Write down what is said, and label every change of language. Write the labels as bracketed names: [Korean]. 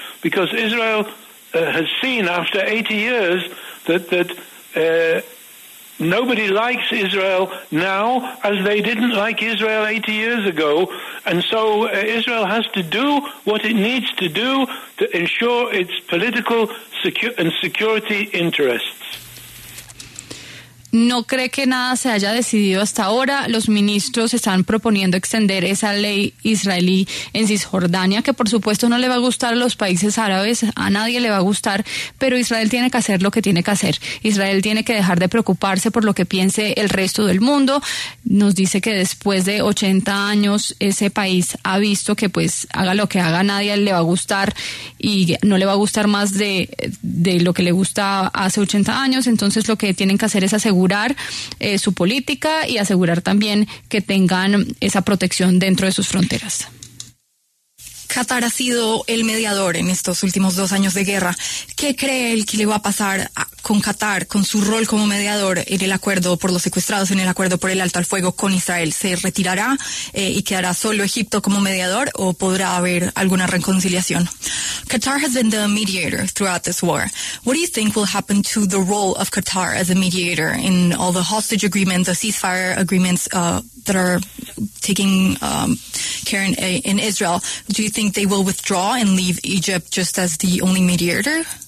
[English] Because Israel has seen after 80 years that Nobody likes Israel now as they didn't like Israel 80 years ago. And so Israel has to do what it needs to do to ensure its political security interests. [Spanish] No cree que nada se haya decidido hasta ahora. Los ministros están proponiendo extender esa ley israelí en Cisjordania, que por supuesto no le va a gustar a los países árabes, a nadie le va a gustar, pero Israel tiene que hacer lo que tiene que hacer. Israel tiene que dejar de preocuparse por lo que piense el resto del mundo. Nos dice que después de 80 años ese país ha visto que, pues, haga lo que haga, nadie le va a gustar y no le va a gustar más de lo que le gusta hace 80 años. Entonces lo que tienen que hacer es asegurar su política y asegurar también que tengan esa protección dentro de sus fronteras. Qatar ha sido el mediador en estos últimos 2 años de guerra. ¿Qué cree él que le va a pasar con Qatar, con su rol como mediador en el acuerdo por los secuestrados, en el acuerdo por el alto al fuego con Israel? ¿Se retirará y quedará solo Egipto como mediador o podrá haber alguna reconciliación? [English] Qatar has been the mediator throughout this war. What do you think will happen to the role of Qatar as a mediator in all the hostage agreements, the ceasefire agreements that are taking care in Israel? Do you think they will withdraw and leave Egypt just as the only mediator?